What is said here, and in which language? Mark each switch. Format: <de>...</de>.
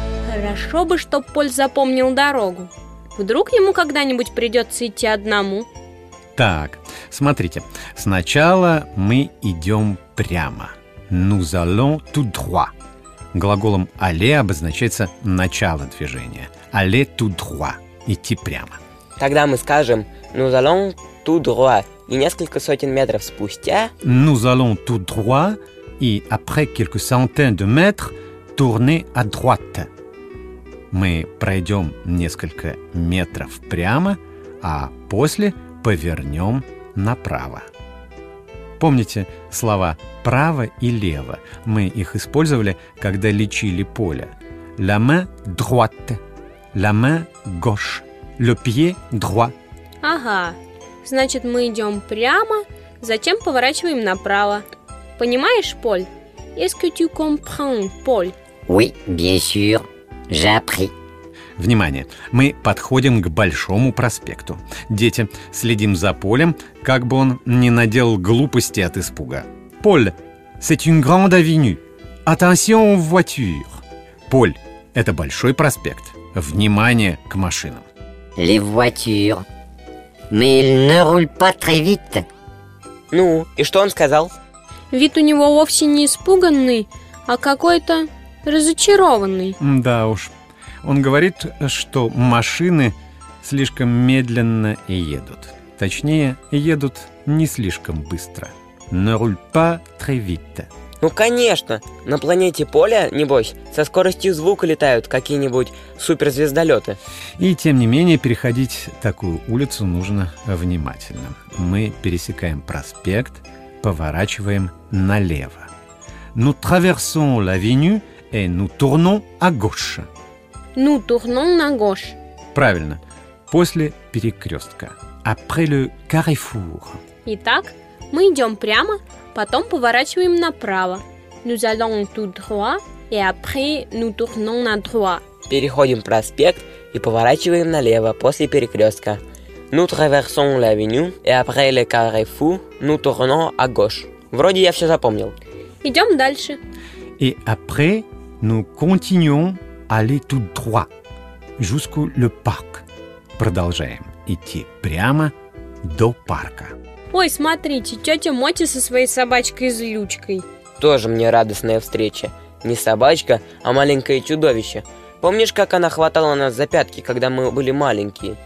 <ru>Хорошо бы, чтоб Поль запомнил дорогу. Вдруг ему когда-нибудь придется идти одному? Так, смотрите. Сначала мы идем прямо.</ru> <fr>Nous allons tout droit.</fr> <ru>Глаголом «aller» обозначается начало движения.</ru> <fr>«Aller tout droit»</fr> <ru>– идти прямо. Тогда мы скажем</ru> <fr>«nous allons tout droit»</fr> <ru>и несколько сотен метров спустя…</ru> <fr>«Nous allons tout droit» и «après quelques centaines de mètres tourner à droite».</fr> <ru>Мы пройдем несколько метров прямо, а после повернем направо. Помните слова «право» и «лево»? Мы их использовали, когда лечили Поля.</ru> <fr>«La main droite», «la main gauche», «le pied droit».</fr> <ru>Ага, значит, мы идем прямо, затем поворачиваем направо. Понимаешь, Поль?</ru> <fr>Est-ce que tu comprends, Paul? Oui, bien sûr, j'ai appris.</fr> <ru>Внимание! Мы подходим к Большому проспекту. Дети, следим за Полем, как бы он не наделал глупости от испуга.</ru> <fr>Поль, c'est une grande avenue. Attention aux voitures.</fr> <ru>Поль, это Большой проспект. Внимание к машинам.</ru> <fr>Les voitures. Mais ils ne roulent pas très vite.</fr> <ru>Ну, и что он сказал? Вид у него вовсе не испуганный, а какой-то разочарованный. Да уж. Он говорит, что машины слишком медленно едут. Точнее, едут не слишком быстро.</ru> <fr>Ne roule pas très vite.</fr> <ru>Ну, конечно. На планете Поля, небось, со скоростью звука летают какие-нибудь суперзвездолеты. И, тем не менее, переходить такую улицу нужно внимательно. Мы пересекаем проспект, поворачиваем налево.</ru> <fr>Nous traversons l'avenue et nous tournons à gauche.</fr> <ru>Ну, tournons на гош. Правильно. После перекрестка.</ru> <fr>Après le carrefour.</fr> <ru>Итак, мы идем прямо, потом поворачиваем направо.</ru> <fr>Nous allons tout droit, et après nous tournons на droit.</fr> <ru>Переходим проспект и поворачиваем налево после перекрестка.</ru> <fr>Nous traversons l'avenue, et après le carrefour, nous tournons à gauche.</fr> <ru>Вроде я все запомнил. Идем дальше.</ru> <fr>Et après nous continuons aller tout droit jusqu'au le parc.</fr> <ru>Продолжаем идти прямо до парка. Ой, смотрите, тетя Моти со своей собачкой Злючкой. Тоже мне радостная встреча. Не собачка, а маленькое чудовище. Помнишь, как она хватала нас за пятки, когда мы были маленькие?</ru>